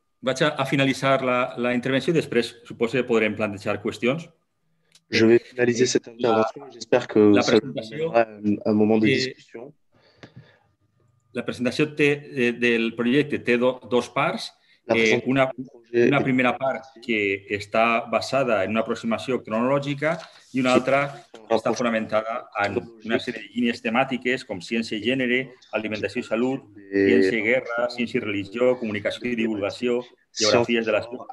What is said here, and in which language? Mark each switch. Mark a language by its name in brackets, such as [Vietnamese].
[Catalan] Vaig a finalitzar la intervenció i després suposo que podrem plantejar qüestions. [French] Je vais finaliser cette intervention. J'espère que ça donnera un moment de discussion. [Catalan] La presentació del projecte té dos parts. Una primera part que està basada en una aproximació cronològica i una altra que està fonamentada en una sèrie de línies temàtiques com ciència i gènere, alimentació i salut, ciència i guerra, ciència i religió, comunicació i divulgació, geografies de la salut,